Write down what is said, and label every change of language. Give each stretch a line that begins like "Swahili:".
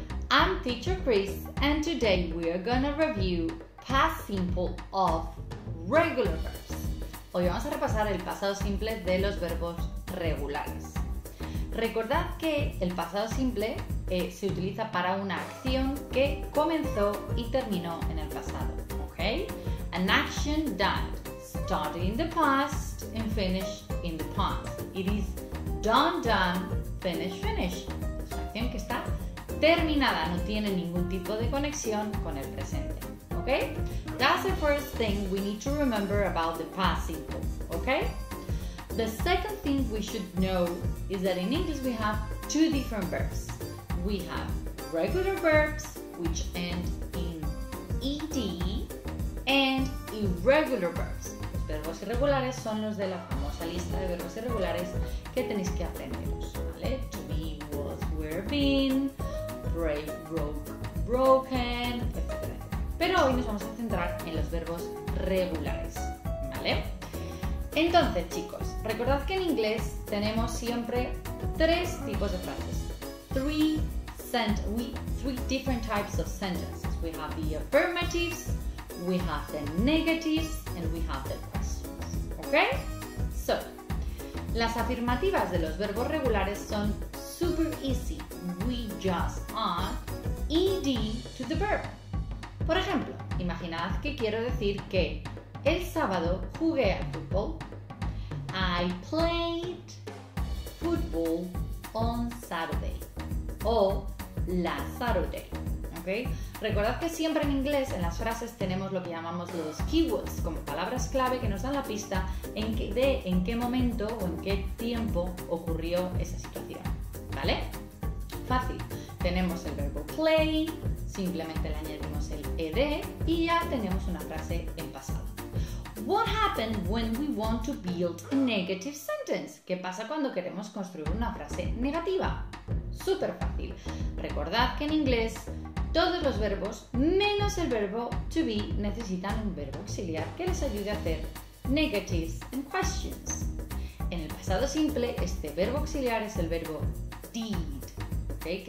English: I'm teacher Chris and today we are gonna review past simple of regular verbs.
Spanish: Hoy vamos a repasar el pasado simple de los verbos regulares. Recordad que el pasado simple se utiliza para una acción que comenzó y terminó en el pasado, ¿ok?
English: An action that started in the past and finished in the past. It is done, done. Finish.
Spanish: Es una acción que está terminada, no tiene ningún tipo de conexión con el presente.
English: Okay? That's the first thing we need to remember about the past simple. Okay? The second thing we should know is that in English we have two different verbs. We have regular verbs, which end in ed, and irregular verbs.
Spanish: Los verbos irregulares son los de la famosa lista de verbos irregulares que tenéis que aprenderos.
English: To be, was, were, been, break, broke, broken, etc.
Spanish: Pero hoy nos vamos a centrar en los verbos regulares, ¿vale? Entonces, chicos, recordad que en inglés tenemos siempre tres tipos de frases.
English: Three different types of sentences. We have the affirmatives, we have the negatives, and we have the questions. Okay?
Spanish: So, las afirmativas de los verbos regulares son
English: super easy. We just add ed to the verb.
Spanish: Por ejemplo, imaginad que quiero decir que el sábado jugué al fútbol.
English: I played football on Saturday.
Spanish: O
English: last Saturday.
Spanish: Okay? Recordad que siempre en inglés, en las frases, tenemos lo que llamamos los keywords, como palabras clave que nos dan la pista en qué momento o en qué tiempo ocurrió esa situación. ¿Vale? Fácil. Tenemos el verbo play, simplemente le añadimos el ed y ya tenemos una frase en pasado.
English: What happened when we want to build a negative sentence?
Spanish: ¿Qué pasa cuando queremos construir una frase negativa? Súper fácil. Recordad que en inglés todos los verbos, menos el verbo to be, necesitan un verbo auxiliar que les ayude a hacer
English: negatives and questions.
Spanish: En el pasado simple, este verbo auxiliar es el verbo did, ¿okay?